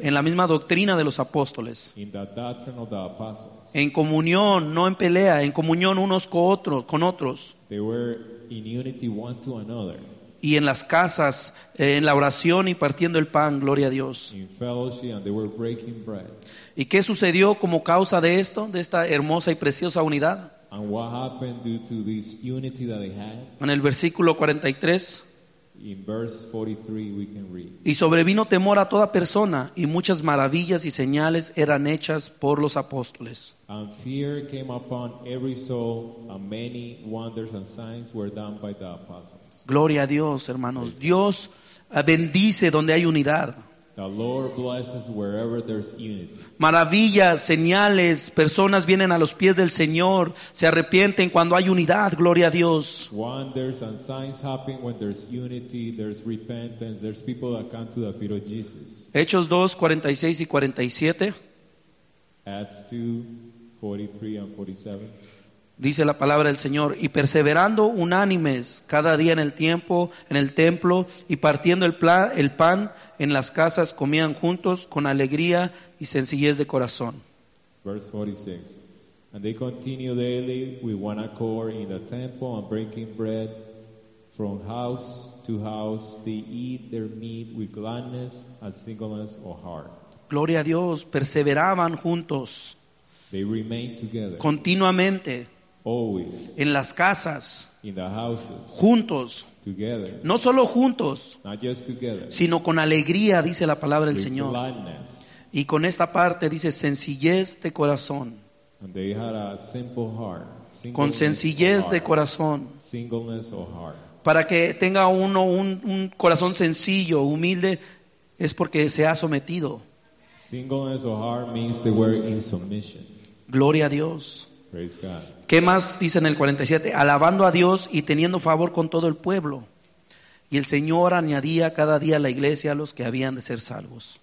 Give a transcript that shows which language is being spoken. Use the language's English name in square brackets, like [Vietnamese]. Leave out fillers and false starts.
[Spanish] En la misma doctrina de los apóstoles. [English] In the doctrine of the apostles. [Spanish] En comunión, no en pelea, en comunión unos con otros, con otros. [English] They were in unity one to another. [Spanish] Y en las casas, en la oración y partiendo el pan, gloria a Dios. [English] In fellowship and they were breaking bread. [Spanish] ¿Y qué sucedió como causa de esto, de esta hermosa y preciosa unidad? [English] And what happened due to this unity that they had? [Spanish] En el versículo 43. [English] In verse 43 we can read. [Spanish] Y sobrevino temor a toda persona y muchas maravillas y señales eran hechas por los apóstoles. [English] And fear came upon every soul and many wonders and signs were done by the apostles. [Spanish] Gloria a Dios, hermanos. Dios bendice donde hay unidad. [English] The Lord blesses wherever there's unity. [Spanish] Maravillas, señales, personas vienen a los pies del Señor, se arrepienten cuando hay unidad, gloria a Dios. [English] Wonders and signs happen when there's unity, there's repentance, there's people that come to the feet of Jesus. [Spanish] Hechos 2, 46 y 47. [English] Acts 2, 43 and 47. [Spanish] Dice la palabra del Señor, y perseverando unánimes cada día en el tiempo, en el templo, y partiendo el pan en las casas, comían juntos con alegría y sencillez de corazón. [English] Verse 46. And they continued daily with one accord in the temple and breaking bread from house to house. They eat their meat with gladness and singleness of heart. [Spanish] Gloria a Dios, perseveraban juntos. [English] They remained together. [Spanish] Continuamente. [English] Always. [Spanish] En las casas. [English] In the houses. [Spanish] Juntos. [English] Together. [Spanish] No solo juntos. [English] Not just together. [Spanish] Sino con alegría, dice la palabra del Señor. [English] Gladness. [Spanish] Y con esta parte dice sencillez de corazón. [English] And they had a simple heart. [Spanish] Con sencillez de corazón. [English] Singleness of heart. [Spanish] Para que tenga uno un corazón sencillo, humilde, es porque se ha sometido. [English] Singleness of heart means they were in submission. [Spanish] Gloria a Dios. [English] Praise God. [Spanish] ¿Qué más dice en el 47? Alabando a Dios y teniendo favor con todo el pueblo. Y el Señor añadía cada día a la iglesia a los que habían de ser salvos.